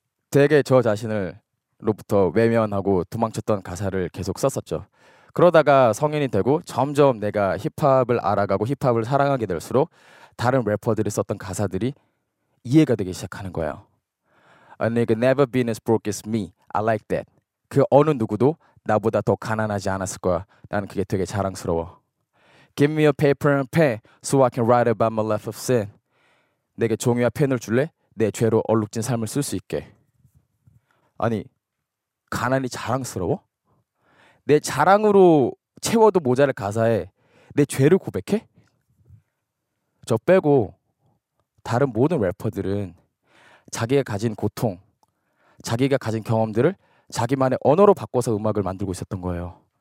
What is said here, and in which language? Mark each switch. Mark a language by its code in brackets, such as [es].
[ko] 되게 저 자신을 로부터 외면하고 도망쳤던 가사를 계속 썼었죠. 그러다가 성인이 되고 점점 내가 힙합을 알아가고 힙합을 사랑하게 될수록 다른 래퍼들이 썼던 가사들이 이해가 되기 시작하는 거예요. [en] A nigga never been as broke as me. I like that. [ko] 그 어느 누구도 나보다 더 가난하지 않았을 거야. 나는 그게 되게 자랑스러워. [en] Give me a paper and pen so I can write about my life of sin. [ko] 내게 종이와 펜을 줄래? 내 죄로 얼룩진 삶을 쓸 수 있게. 아니, 가난이 자랑스러워? 내 자랑으로 채워도 모자랄 가사에 내 죄를 고백해? 저 빼고 다른 모든 래퍼들은 자기가 가진 고통, 자기가 가진 경험들을 자기만의 언어로 바꿔서 음악을 만들고 있었던 거예요.